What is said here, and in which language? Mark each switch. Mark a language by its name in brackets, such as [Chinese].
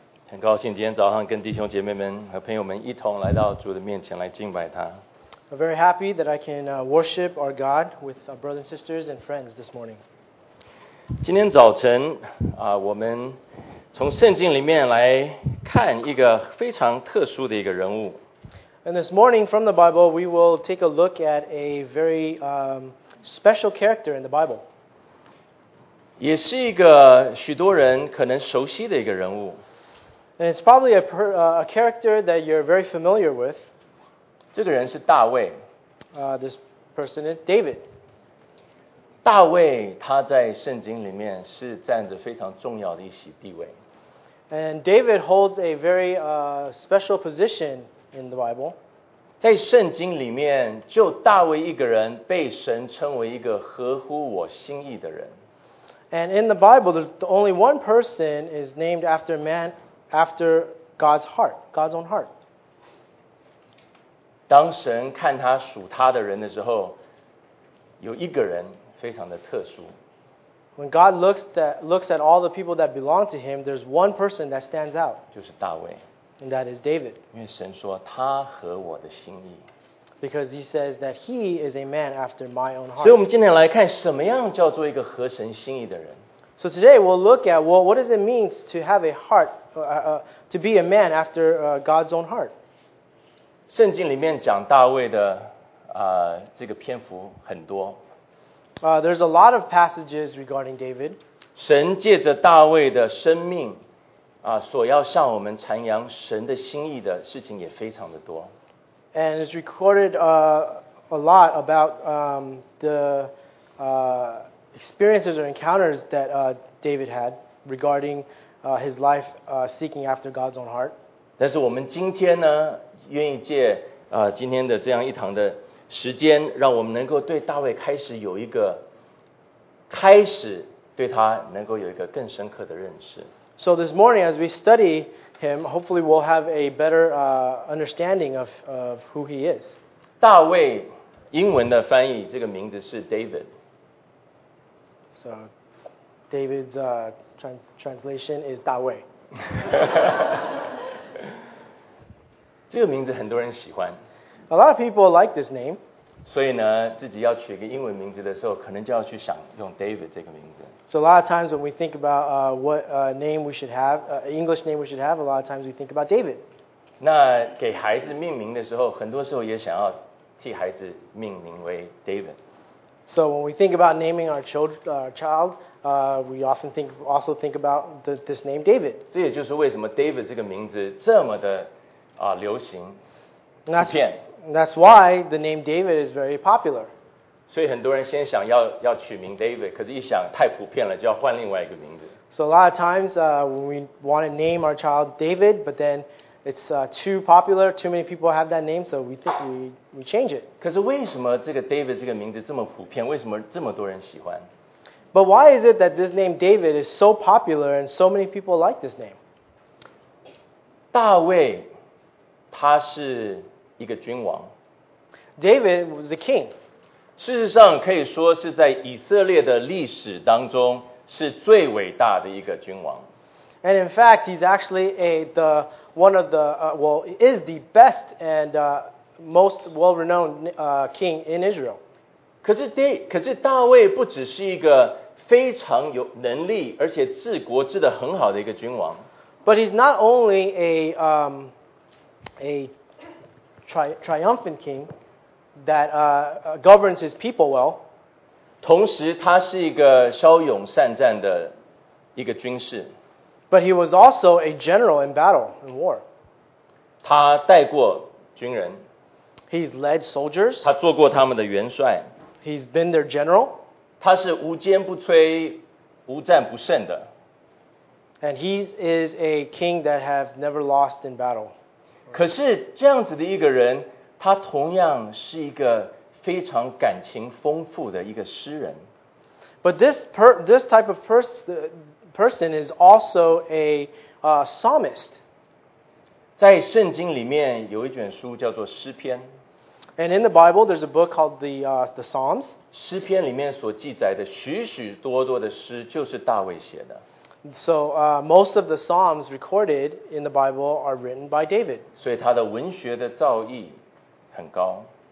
[Chinese] 很高兴今天早上跟弟兄姐妹们和朋友们一同来到主的面前来敬拜他。 [English] I'm very happy that I can worship our God with our brothers and sisters and friends this morning. [Chinese] 今天早晨我们从圣经里面来看一个非常特殊的一个人物。 [English] And this morning from the Bible, we will take a look at a very special character in the Bible. [Chinese] 也是一个许多人可能熟悉的一个人物。 [English] And it's probably a character that you're very familiar with. [Chinese] 这个人是大卫。 [English] This person is David. [Chinese] 大卫他在圣经里面是占着非常重要的一席地位。 [English] And David holds a very special position in the Bible. [Chinese] 在圣经里面，就大卫一个人被神称为一个合乎我心意的人。 [English] And in the Bible, the only one person is named after man, after God's heart, God's own heart. [Chinese] 当神看他属他的人的时候，有一个人非常的特殊。 [English] When God looks at all the people that belong to him, there's one person that stands out. [Chinese] 就是大卫。 [English] And that is David. [Chinese] 因为神说他合我的心意。 [English] Because he says that he is a man after my own heart. [Chinese] 所以我们今天来看什么样叫做一个合神心意的人。 [English] So today we'll look at what does it mean to have a heart, to be a man after God's own heart. [Chinese] 圣经里面讲大卫的这个篇幅很多。 [English] There's a lot of passages regarding David. [Chinese] 神借着大卫的生命所要向我们传扬神的心意的事情也非常的多。 [English] And it's recorded a lot about the experiences or encounters that David had regarding his life seeking after God's own heart. [Chinese] 但是我们今天呢，愿意借今天的这样一堂的时间，让我们能够对大卫开始对他能够有一个更深刻的认识。 [English] So this morning, as we study him, hopefully we'll have a better understanding of who he is. [Chinese] 大卫英文的翻译这个名字是 David. [English] So David's translation is 大卫。 [Chinese] 这个名字很多人喜欢。 [English] A lot of people like this name. [Chinese] 所以呢，自己要取一个英文名字的时候，可能就要去想用 David 这个名字。 [English] So a lot of times when we think about name we should have, English name we should have, a lot of times we think about David. [Chinese] 那给孩子命名的时候，很多时候也想要替孩子命名为 David. [English] So when we think about naming our child, we often think about this name David. [Chinese] 这也就是为什么 David 这个名字这么的流行。 [English] That's why the name David is very popular. [Chinese] 所以很多人先想要取名 David, 可是一想太普遍了，就要换另外一个名字。 [English] So a lot of times when we want to name our child David, but then it's too popular, too many people have that name, so we think we change it. [Chinese] 可是为什么这个 David 这个名字这么普遍？为什么这么多人喜欢？ [English] But why is it that this name David is so popular and so many people like this name? [Chinese] 大卫他是一个君王。 [English] David was the king. [Chinese] 事实上可以说是在以色列的历史当中是最伟大的一个君王。 [English] And in fact, he's actually is the best and most well-renowned king in Israel. [Chinese] 可是大卫不只是一个非常有能力而且治国治得很好的一个君王。 [English] But he's not only a triumphant king that governs his people well. [Chinese] 同时他是一个骁勇善战的一个军士。 [English] But he was also a general in battle, in war. [Chinese] 他带过军人。 [English] He's led soldiers. [Chinese] 他做过他们的元帅。 [English] He's been their general. [Chinese] 他是无坚不摧、无战不胜的。 [English] And he is a king that have never lost in battle. [Chinese] 可是这样子的一个人，他同样是一个非常感情丰富的一个诗人。 [English] But this type of person is also a psalmist. [Chinese] 在圣经里面有一卷书叫做诗篇。 [English] And in the Bible, there's a book called the Psalms. [Chinese] 诗篇里面所记载的许许多多的诗，就是大卫写的。 [English] So most of the Psalms recorded in the Bible are written by David. [Chinese] 所以他的文学的造诣很高。